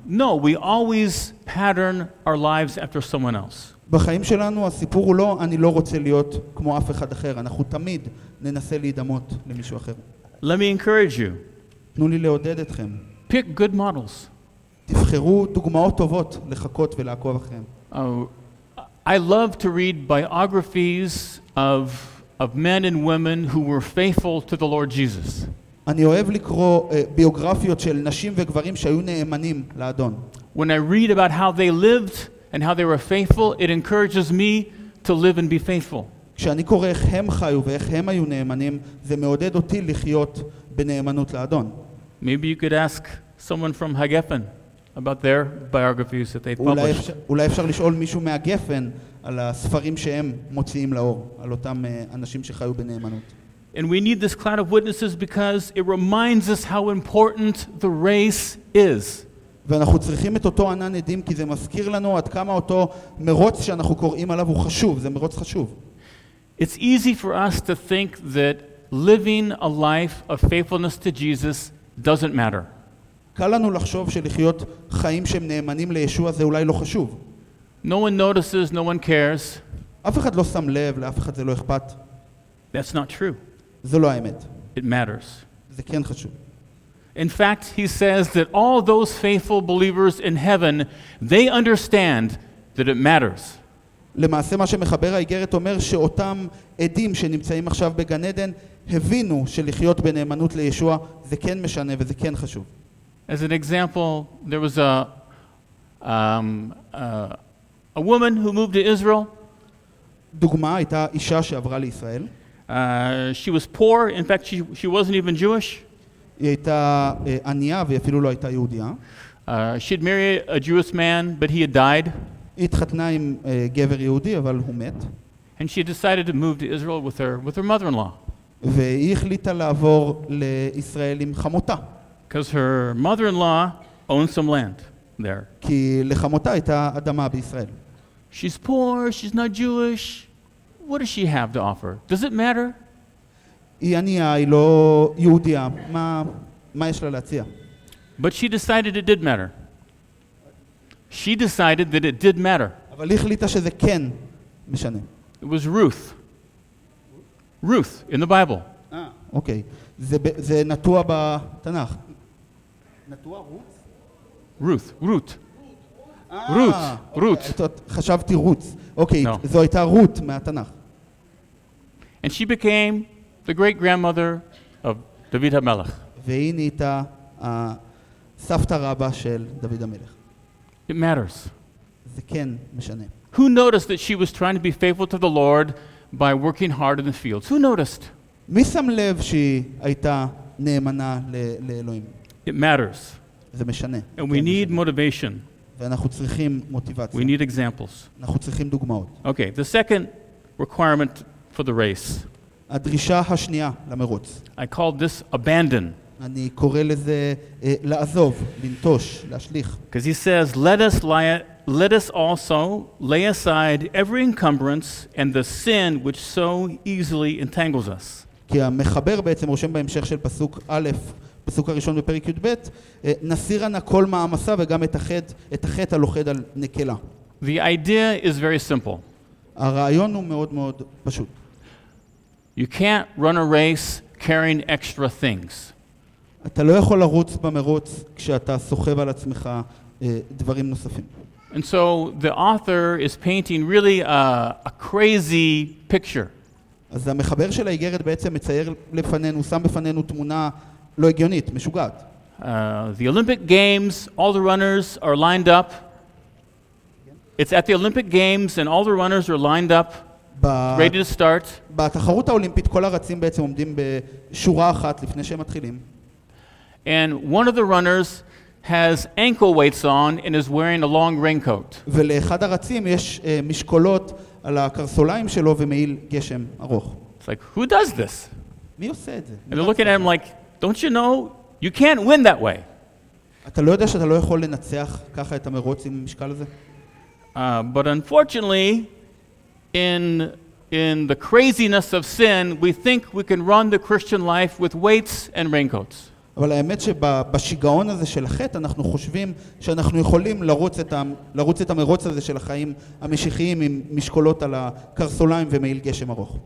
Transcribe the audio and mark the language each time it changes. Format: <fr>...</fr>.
<en>No, we always pattern our lives after someone else.</en> <he>בחיים שלנו הסיפור הוא לא אני לא רוצה להיות כמו אף אחד אחר. אנחנו תמיד ננסה להידמות למישהו אחר.</he> <en>Let me encourage you.</en> <he>תנו לי לעודד אתכם.</he> <en>Pick good models.</en> <he>תבחרו דוגמאות טובות לחכות ולעקוב אחריהם.</he> <en>I love to read biographies of men and women who were faithful to the Lord Jesus.</en> <he>אני אוהב לקרוא ביוגרפיות של נשים וגברים שהיו נאמנים לאדון.</he> <en>When I read about how they lived and how they were faithful, it encourages me to live and be faithful.</en> <he>כשאני קורא איך הם חיו ואיך הם היו נאמנים, זה מעודד אותי לחיות בנאמנות לאדון.</he> <en>Maybe you could ask someone from Hagefen about their biographies that they published.</en> <he>אולי אפשר לשאול מישהו מהגפן על הספרים שהם מוציאים לאור, על אותם אנשים שחיו בנאמנות.</he> <en>And we need this cloud of witnesses because it reminds us how important the race is.</en> <he>ואנחנו צריכים את אותו ענן עדים כי זה מזכיר לנו עד כמה אותו מרוץ שאנחנו קוראים עליו הוא חשוב, זה מרוץ חשוב.</he> <en>It's easy for us to think that living a life of faithfulness to Jesus doesn't matter.</en> <he>קל לנו לחשוב שלחיות חיים שהם נאמנים לישוע זה אולי לא חשוב.</he> <en>No one notices, no one cares.</en> <he>אף אחד לא שם לב, לאף אחד זה לא אכפת.</he> <en>That's not true.</en> <he>זה לא האמת.</he> <en>It matters.</en> <he>זה כן חשוב.</he> <en>In fact, he says that all those faithful believers in heaven, they understand that it matters.</en> <he>למעשה מה שמחבר האיגרת אומר שאותם עדים שנמצאים עכשיו בגן עדן הבינו שלחיות בנאמנות לישוע זה כן משנה וזה כן חשוב.</he> <en>As an example, there was a woman who moved to Israel.</en> <he>דוגמה, הייתה אישה שעברה לישראל.</he> <en>She was poor, in fact she wasn't even Jewish.</en> <he>היא הייתה ענייה והיא אפילו לא הייתה יהודיה.</he> <en>She'd married a Jewish man, but he had died.</en> <he>היא התחתנה עם גבר יהודי, אבל הוא מת.</he> <en>And she decided to move to Israel with her mother-in-law.</en> <he>והיא החליטה לעבור לישראל עם חמותה.</he> <en>Because her mother-in-law owned some land there.</en> <he>כי לחמותה הייתה אדמה בישראל.</he> <en>She's poor, she's not Jewish. What does she have to offer? Does it matter?</en> <he>היא ענייה, היא לא יהודיה. מה יש לה להציע?</he> <en>But she decided it did matter. She decided that it did matter.</en> <he>אבל היא החליטה שזה כן משנה.</he> <en>It was Ruth. Ruth in the Bible.</en> <he>אוקיי. זה נטוע בתנ"ך. נטוע רות? רות. רות. רות. רות. חשבתי רות. אוקיי, זו הייתה רות מהתנ"ך.</he> <en>And she became the great grandmother of David HaMelech.</en> <he>והיא נהייתה סבתא רבא של דוד המלך.</he> <en>It matters.</en> <he>זה כן משנה.</he> <en>Who noticed that she was trying to be faithful to the Lord by working hard in the fields? Who noticed?</en> <he>מי שם לב שהיא הייתה נאמנה לאלוהים?</he> <en>It matters.</en> <he>זה משנה.</he> <en>And we need motivation.</en> <he>ואנחנו צריכים מוטיבציה.</he> <en>We need examples.</en> <he>אנחנו צריכים דוגמאות.</he> <en>Okay, the second requirement for the race.</en> <he>הדרישה השנייה למרוץ.</he> <en>I call this abandon.</en> <he>אני קורא לזה לעזוב, לנטוש, להשליך.</he> <en>Because he says, let us also lay aside every encumbrance and the sin which so easily entangles us.</en> <he>כי המחבר בעצם רושם בהמשך של פסוק א', פסוק הראשון בפרק י' ב', נסיר אנה כל מעמסה וגם את החטא הלוחד על נקלה.</he> <en>The idea is very simple.</en> <he>הרעיון הוא מאוד מאוד פשוט.</he> <en>You can't run a race carrying extra things.</en> <he>אתה לא יכול לרוץ במרוץ כשאתה סוחב על עצמך דברים נוספים.</he> <en>And so the author is painting really a crazy picture.</en> <he>אז המחבר של האיגרת בעצם מצייר לפנינו, שם בפנינו תמונה לא הגיונית, משוגעת.</he> <en>The Olympic Games, all the runners are lined up. It's at the Olympic Games and all the runners are lined up ready to start.</en> <he>בתחרות האולימפית כל הרצים בעצם עומדים בשורה אחת לפני שהם מתחילים.</he> <en>And one of the runners has ankle weights on and is wearing a long raincoat.</en> <he>ולאחד הרצים יש משקולות על הקרסוליים שלו ומעיל גשם ארוך.</he> <en>It's like, who does this?</en> <he>מי עושה את זה?</he> <en>And they're looking at him like, don't you know you can't win that way?</en> <he>אתה לא יודע שאתה לא יכול לנצח ככה את המרוץ עם המשקל הזה?</he> <en>But unfortunately in the craziness of sin we think we can run the Christian life with weights and raincoats.</en> <he>אבל האמת שבשיגעון הזה של החטא אנחנו חושבים שאנחנו יכולים לרוץ את המרוץ הזה של החיים המשיחיים עם משקולות על הקרסוליים ומעיל גשם ארוך.</he>